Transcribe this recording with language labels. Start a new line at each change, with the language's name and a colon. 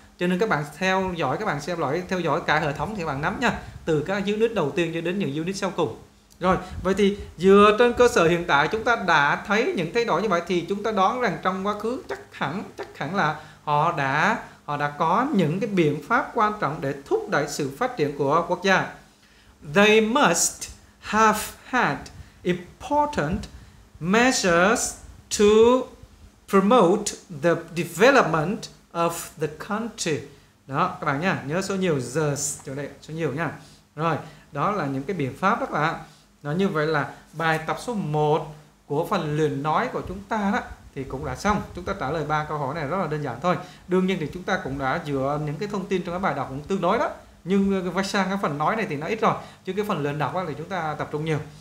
Vietnamese: Cho nên các bạn theo dõi, các bạn xem lại theo dõi cả hệ thống thì bạn nắm nha, từ các unit đầu tiên cho đến những unit sau cùng. Rồi, vậy thì dựa trên cơ sở hiện tại chúng ta đã thấy những thay đổi như vậy thì chúng ta đoán rằng trong quá khứ chắc hẳn là họ đã có những cái biện pháp quan trọng để thúc đẩy sự phát triển của quốc gia.
English: They must have had important measures to promote the development of the country.
Vietnamese: Đó các bạn nha, nhớ số nhiều the chỗ này số nhiều nha. Rồi, đó là những cái biện pháp đó các bạn. Nó như vậy là bài tập số 1 của phần luyện nói của chúng ta đó thì cũng đã xong. Chúng ta trả lời ba câu hỏi này rất là đơn giản thôi. Đương nhiên thì chúng ta cũng đã dựa những cái thông tin trong cái bài đọc cũng tương đối đó, nhưng quay sang cái phần nói này thì nó ít rồi, chứ cái phần luyện đọc thì chúng ta tập trung nhiều.